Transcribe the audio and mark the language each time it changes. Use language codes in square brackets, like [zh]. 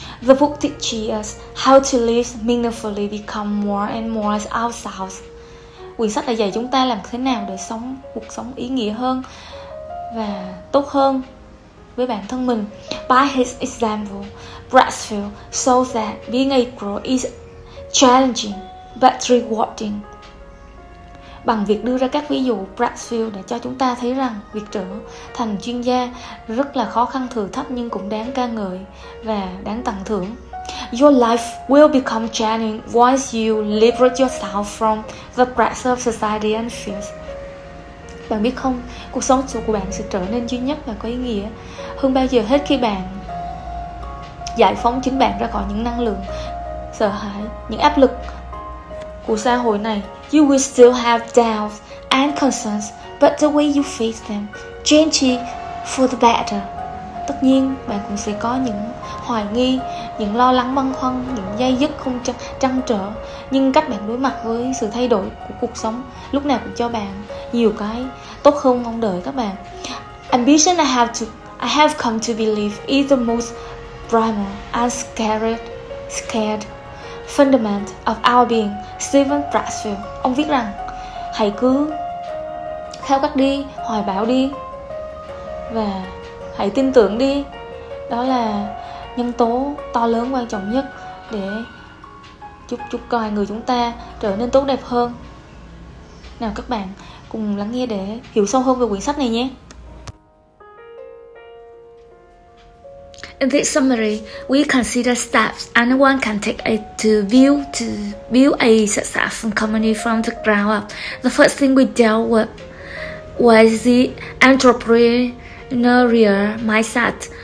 [en] The book teaches us how to live meaningfully, become more and more ourselves. [vi] Quyển sách đã dạy chúng ta làm thế nào để sống cuộc sống ý nghĩa hơn và tốt hơn với bản thân mình. [en] By his example, Pressfield shows that being a pro is challenging but rewarding. [vi] Bằng việc đưa ra các ví dụ, Pressfield đã cho chúng ta thấy rằng việc trở thành chuyên gia rất là khó khăn, thử thách, nhưng cũng đáng ca ngợi và đáng tặng thưởng. [en] Your life will become genuine once you liberate yourself from the pressure of society and fears. [vi] Bạn biết không, cuộc sống của bạn sẽ trở nên duy nhất và có ý nghĩa hơn bao giờ hết khi bạn giải phóng chính bạn ra khỏi những năng lượng sợ hãi, những áp lực của xã hội này. [en] You will still have doubts and concerns, but the way you face them changes for the better. [vi] Tất nhiên, bạn cũng sẽ có những hoài nghi, những lo lắng băn khoăn, những day dứt không trăn trở. Nhưng cách bạn đối mặt với sự thay đổi của cuộc sống lúc nào cũng cho bạn nhiều cái tốt hơn mong đợi các bạn. [en] Ambition I have come to believe is the most primal and scared fundament of our being. [vi] Stephen Pressfield, ông viết rằng hãy cứ khao khát đi, hoài bão đi và hãy tin tưởng đi. Đó là nhân tố to lớn quan trọng nhất để chúc coi người chúng ta trở nên tốt đẹp hơn. Nào các bạn cùng lắng nghe để hiểu sâu hơn về quyển sách này nhé. [en] In this summary, we consider steps anyone can take to build a successful company from the ground up. The first thing we dealt with was the entrepreneurial mindset.